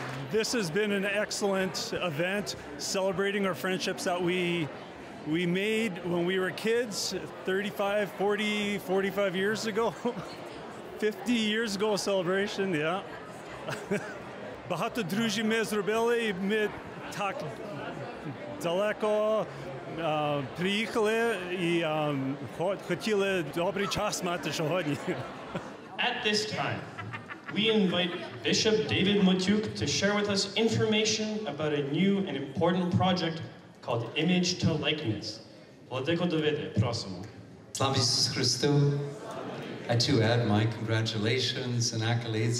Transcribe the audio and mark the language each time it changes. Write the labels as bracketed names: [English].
[English] This has been an excellent event, celebrating our friendships that we made when we were kids, 45 years ago, 50 years ago celebration, yeah. [Ukrainian] Багато друзі ми зробили, ми так далеко приїхали і хотіли добрий час мати сьогодні. [English] At this time, we invite Bishop David Matuk to share with us information about a new and important project called Image to Likeness. [Ukrainian] Владико Давиде, просимо. Слава Ісус Христу. [English] I too add my congratulations and accolades.